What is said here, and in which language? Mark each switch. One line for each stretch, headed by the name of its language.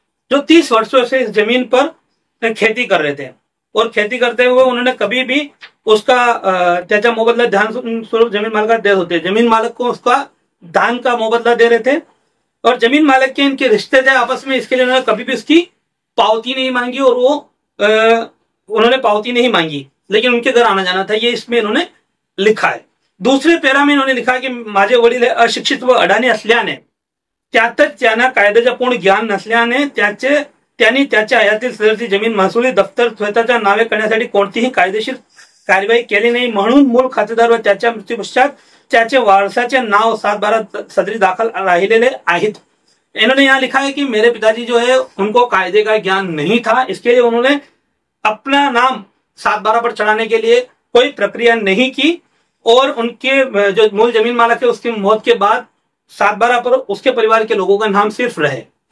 Hindi: जो 30 वर्षों से इस जमीन पर खेती कर रहे थे, और खेती करते हुए उन्होंने कभी भी उसका चाचा मोबदला धान स्वरूप जमीन मालक का दे होते, जमीन मालक को उसका धान का मोबदला दे रहे थे, और जमीन मालक के इनके रिश्ते थे आपस में, इसके लिए उन्होंने कभी भी उसकी पावती नहीं मांगी और वो उन्होंने पावती नहीं मांगी। लेकिन उनके घर आना जाना था, ये इसमें इन्होंने लिखा है। दूसरे पैरा में इन्होंने लिखा कि
Marathi: माझे वडील अशिक्षित व अडाणी असल्याने त्यातच त्यांना कायद्याचा पूर्ण ज्ञान नसल्याने त्याचे त्यांनी त्याच्या आयातील सदरची जमीन महसुली दफ्तर स्वतःच्या नावे करण्यासाठी कोणतीही कायदेशीर कार्यवाही केली नाही, म्हणून मूळ खातेदार व त्याच्या मृत्यूपश्चात त्याचे वारसाचे नाव 7-12 सदरी दाखल राहिलेले आहेत।
Hindi: इन्होंने यहाँ लिखा है कि मेरे पिताजी जो है उनको कायदे का ज्ञान नहीं था, इसके लिए उन्होंने अपना नाम 7-12 पर चढ़ाने के लिए कोई प्रक्रिया नहीं की, और उनके जो मूल जमीन मालिक है उसकी मौत के बाद 7-12 पर उसके परिवार के लोगों का नाम सिर्फ रहे।